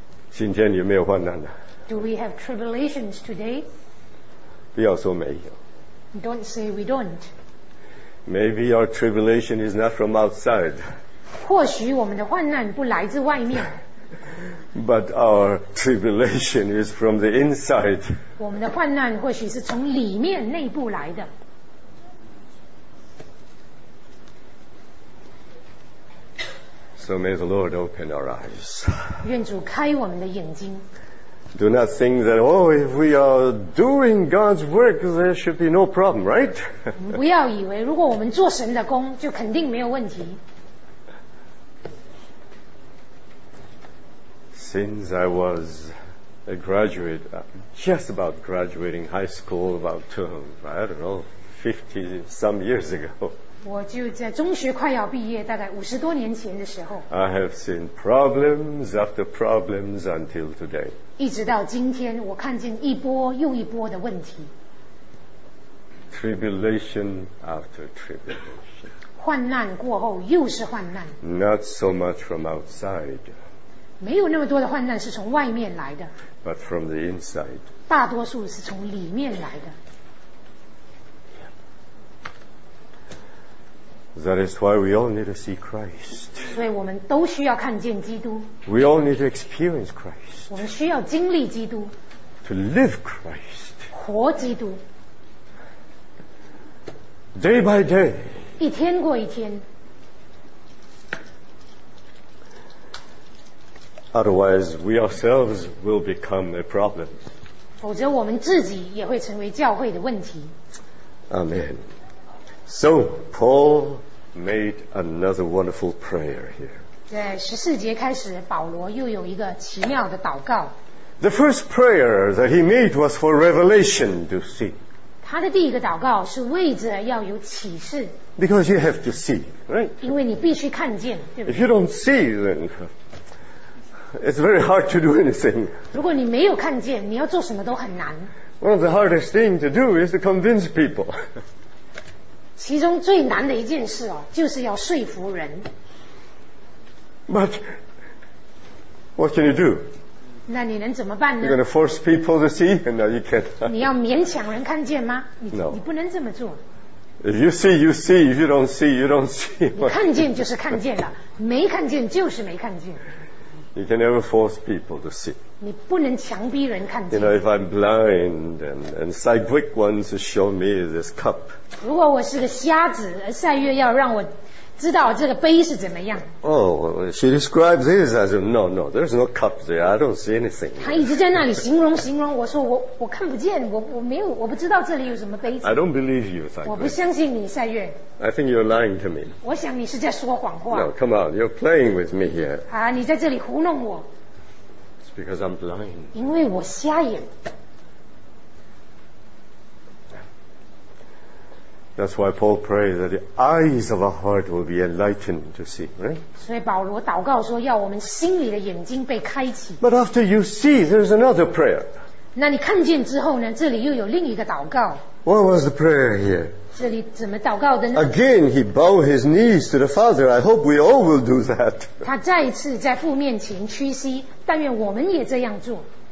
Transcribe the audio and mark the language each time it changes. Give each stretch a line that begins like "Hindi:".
Chinese: 今天有没有患难呢
English: ？Do we have tribulations today?
Chinese: 不要说没有。
English: Don't say we don't. Maybe our tribulation is not from outside.
Chinese: 或许我们的患难不来自外面。
English: But our tribulation is from the inside.
Chinese: 我们的患难或许是从里面内部来的。
English: So may the Lord open our eyes.
Chinese: 愿主开我们的眼睛。
English: Do not think that, oh, if we are doing God's work, there should be no problem, right?
Chinese: 不要以为如果我们做神的工，就肯定没有问题。
English: Since I was a graduate, just about graduating high school, about, I don't know, 50 some years ago.
Chinese: 我就在中学快要毕业，大概五十多年前的时候。
English: I have seen problems after problems until today.
Chinese: 一直到今天，我看见一波又一波的问题。
English: Tribulation after tribulation.
Chinese: 患难过后又是患难。
English: Not so much from outside.
Chinese: 没有那么多的患难是从外面来的
English: but from the inside
Chinese: 大多数是从里面来的
English: That is why we all need to see Christ
Chinese: 所以我们都需要看见基督
English: We all need to experience Christ
Chinese: 我们需要经历基督
English: To live Christ
Chinese: 活基督
English: Day by day
Chinese: 一天过一天
English: Otherwise, we ourselves will become a problem.
Chinese: 否则我们自己也会成为教会的问题。
English: Amen. So, Paul made another wonderful prayer here.
Chinese: 在十四节开始，保罗又有一个奇妙的祷告。
English: The first prayer that he made was for revelation to see.
Chinese: 他的第一个祷告是为着要有启示。
English: Because you have to see, right?
Chinese: 因为你必须看见，对不对？
English: If you don't see, then... It's very hard to do anything.
Chinese: 如果你没有看见，你要做什么都很难。
English: One of the hardest things to do is to convince people.
Chinese: 其中最难的一件事哦，就是要说服人。
English: But what can you do?
Chinese: 那你能怎么办呢
English: ？You're going to force people to see? No, you can't.
Chinese: 你要勉强人看见吗
English: ？No.
Chinese: 你不能这么做。
English: If you see, you see. If you don't see, you don't see.
Chinese: 你看见就是看见了，没看见就是没看见。
English: You can never force people to see.
Chinese: 你不能强逼人看见。
English: You know, if I'm blind and Cy-Quick wants to show me this cup.
Chinese: 如果我是个瞎子，而赛月要让我知道这个杯是怎么样。
English: Oh, she describes this. I said, no, no, there's no cup there. I don't see anything.
Chinese: 她一直在那里形容形容。我说我看不见，我没有，我不知道这里有什么杯子。
English: I don't believe you, Cy-Quick.
Chinese: 我不相信你，赛月。
English: I think you're lying to me.
Chinese: 我想你是在说谎话。
English: No, come on, you're playing with me here.
Chinese: 啊，你在这里糊弄我。
English: It's because I'm blind.
Chinese: 因为我瞎眼。
English: That's why Paul prays that the eyes of our heart will be enlightened to see, right?
Chinese: 所以保罗祷告说要我们心里的眼睛被开启。
English: But after you see, there's another prayer.
Chinese: 那你看见之后呢？这里又有另一个祷告。
English: What was the prayer here?
Chinese: 这里怎么祷告的呢
English: ？Again, he bowed his knees to the Father. I hope we all will do that.
Chinese: 他再一次在父面前屈膝，但愿我们也这样做。